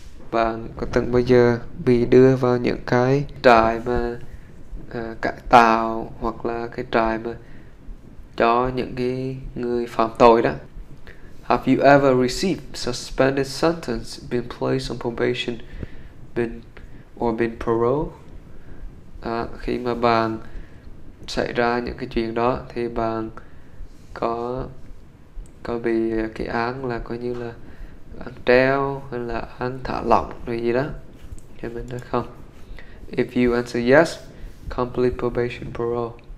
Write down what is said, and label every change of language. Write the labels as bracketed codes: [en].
[vi] Bạn có từng bao giờ bị đưa vào những cái trại mà cải tạo hoặc là cái trại mà cho những cái người phạm tội đó? [en] Have you ever received suspended sentence, been placed on probation, been paroled? [vi] Khi mà bạn xảy ra những cái chuyện đó thì bạn có bị cái án là coi như là án treo hay là án thả lỏng rồi gì đó thì mình nói không. [en] If you answer yes, complete probation parole.